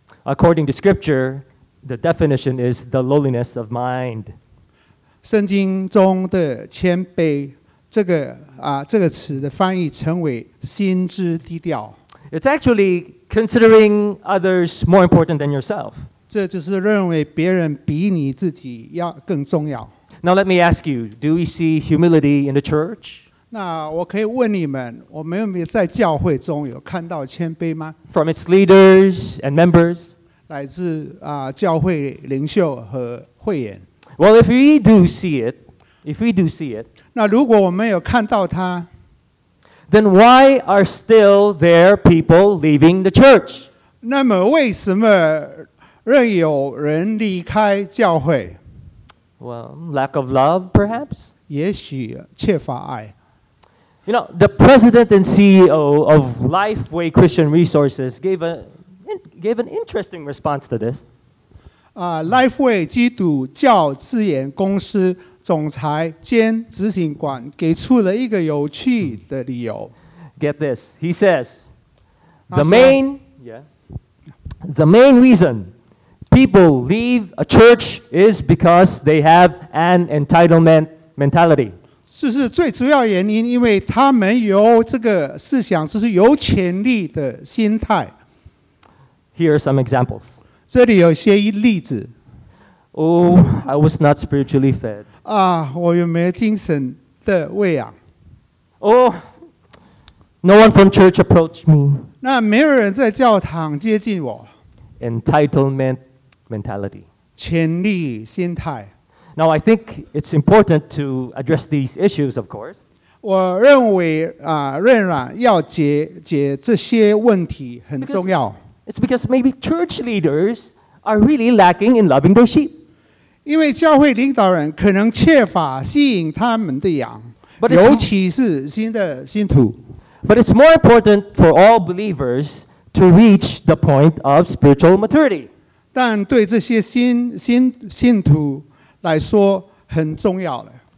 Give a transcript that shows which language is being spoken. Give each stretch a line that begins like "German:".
English: According to scripture, the definition is the lowliness of mind.
Chinese: 圣经中的谦卑这个词的翻译成为心之低调。
English: It's actually considering others more important than yourself.
Chinese: 这就是认为别人比你自己要更重要。
English: Now let me ask you, do we see humility in the church?
Chinese: 那我可以问你们，我们有没有在教会中有看到谦卑吗？
English: From its leaders and members?
Chinese: 来自教会领袖和会员。
English: Well, if we do see it,
Chinese: 那如果我们有看到他,
English: then why are still there people leaving the church?
Chinese: 那么为什么仍有人离开教会?
English: Well, lack of love, perhaps?
Chinese: 也许缺乏爱。
English: You know, the president and CEO of Lifeway Christian Resources gave an interesting response to this.
Chinese: Lifeway 基督教资源公司总裁兼执行官给出了一个有趣的理由。
English: Get this, he says, the main reason people leave a church is because they have an entitlement mentality.
Chinese: 这是最主要原因，因为他们有这个思想，就是有权力的心态。
English: Here are some examples.
Chinese: 这里有些例子。
English: Oh, I was not spiritually fed.
Chinese: 我有没有精神的喂养?
English: Oh, no one from church approached me.
Chinese: 那没有人在教堂接近我。
English: Entitlement mentality.
Chinese: 权力心态。
English: Now, I think it's important to address these issues, of course.
Chinese: 我认为仍然要解这些问题很重要。
English: It's because maybe church leaders are really lacking in loving their sheep.
Chinese: 因为教会领导人可能缺乏吸引他们的羊，尤其是新的信徒。
English: But it's more important for all believers to reach the point of spiritual maturity.
Chinese: 但对这些 信徒来说很重要的。